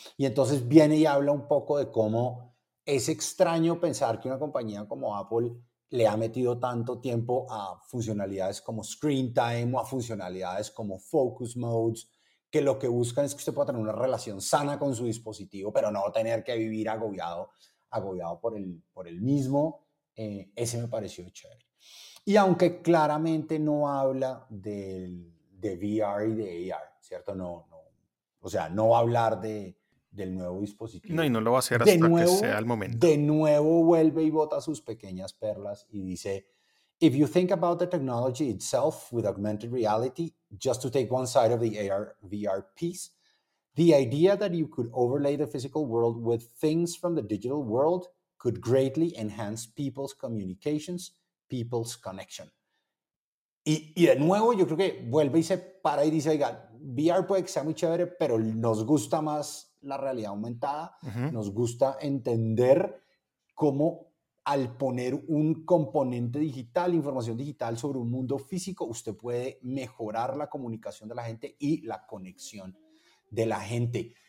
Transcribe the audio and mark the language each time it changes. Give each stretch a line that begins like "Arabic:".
Spanish: Y entonces viene y habla un poco de cómo es extraño pensar que una compañía como Apple le ha metido tanto tiempo a funcionalidades como screen time o a funcionalidades como focus modes, que lo que buscan es que usted pueda tener una relación sana con su dispositivo, pero no tener que vivir agobiado por el mismo. Ese me pareció chévere. Y aunque claramente no habla de VR y de AR, ¿cierto? No, o sea, no va a hablar del nuevo dispositivo. No, y no lo va a hacer hasta nuevo, que sea el momento. De nuevo vuelve y bota sus pequeñas perlas y dice,
English: if you think about the technology itself with augmented reality, just to take one side of the AR/VR piece, the idea that you could overlay the physical world with things from the digital world could greatly enhance people's communications, people's connection.
Spanish: Y de nuevo, yo creo que vuelve y se para y dice, oiga, VR puede que sea muy chévere, pero nos gusta más la realidad aumentada. Uh-huh. Nos gusta entender cómo al poner un componente digital, información digital sobre un mundo físico, usted puede mejorar la comunicación de la gente y la conexión de la gente.